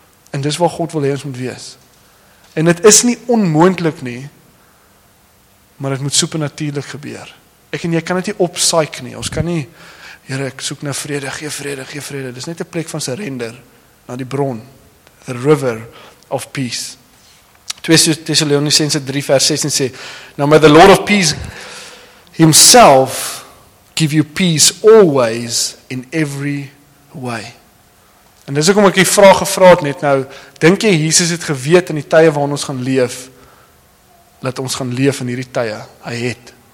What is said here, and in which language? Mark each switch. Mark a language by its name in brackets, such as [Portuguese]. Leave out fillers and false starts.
[Afrikaans] En dis waar God wil hê ons moet wees. En dit is nie onmoontlik nie, maar dit moet supernatuurlik gebeur. Ek en jy kan dit nie opsaik nie, ons kan nie, Here, ek soek nou vrede, gee vrede, gee vrede, dis net 'n plek van surrender, na die bron, [English] the river of peace. 2 Thessalonians 3 [Afrikaans] vers 16 sê, [English] Now may the Lord of peace himself give you peace always in every way. [Afrikaans] En dis ook om ek die vraag gevra het net nou, dink jy Jesus het geweet in die tye waarin ons gaan leef, dat ons gaan leef in hierdie tye, hy het.